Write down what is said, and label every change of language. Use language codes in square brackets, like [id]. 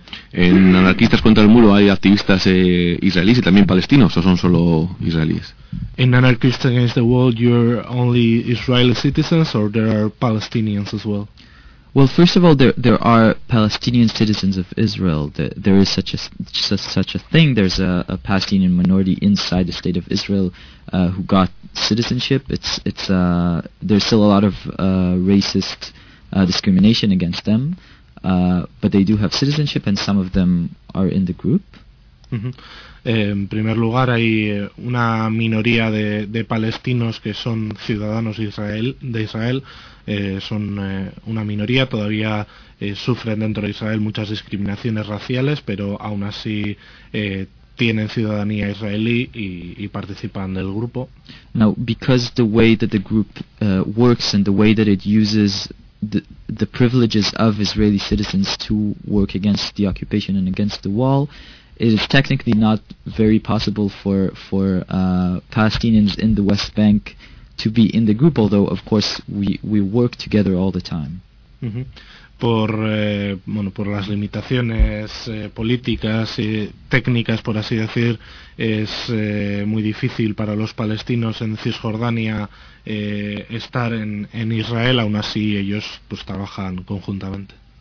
[es] En Anarquistas contra el Muro hay activistas israelíes y también palestinos, ¿o son solo israelíes? [en] In Anarchists Against the Wall, you're only Israeli citizens, or there are Palestinians as well? Well, first of all, there are Palestinian citizens of Israel. There is such a thing. There's a Palestinian minority inside the state of Israel who got citizenship. It's there's still a lot of racist discrimination against them, but they do have citizenship, and some of them are in the group. [es] En primer lugar, hay una minoría de palestinos que son ciudadanos de Israel. Son una minoría, todavía sufren dentro de Israel muchas discriminaciones raciales, pero aún así tienen ciudadanía israelí y participan del grupo. [en] Now, because the way that the group works and the way that it uses the privileges of Israeli citizens to work against the occupation and against the wall, it is technically not very possible for Palestinians in the West Bank to be in the group, although of course we work together all the time. [es] Por las limitaciones políticas y técnicas, por así decir, es muy difícil para los palestinos en Cisjordania estar en Israel. Aún así, ellos pues trabajan conjuntamente.